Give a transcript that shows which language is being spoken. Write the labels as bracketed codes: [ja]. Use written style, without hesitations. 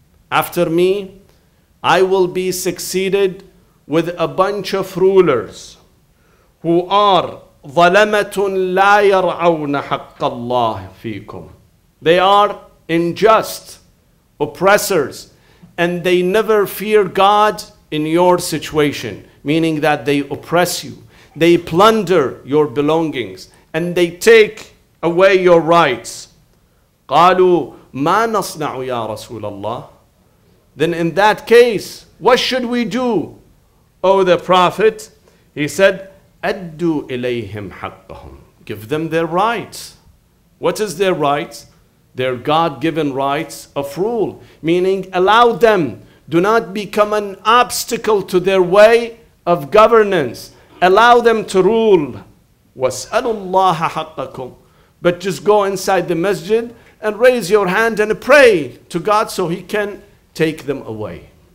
[en] After me, I will be succeeded with a bunch of rulers who are [ar] ظَلَمَةٌ لَا يَرْعَوْنَ حَقَّ اللَّهِ فِيكُمْ. [en] They are unjust, oppressors, and they never fear God in your situation, meaning that they oppress you, they plunder your belongings, and they take away your rights. [ar] قالوا ما نصنع يا رسول الله. [en] Then in that case, what should we do, O the Prophet? He said, [ar] أدوا إليهم حقهم. [en] Give them their rights. What is their rights? Their God-given rights of rule, meaning allow them. Do not become an obstacle to their way of governance. Allow them to rule. [ar] وَاسْأَلُوا اللَّهَ حَقَّكُمْ. [en] But just go inside the masjid and raise your hand and pray to God so He can take them away.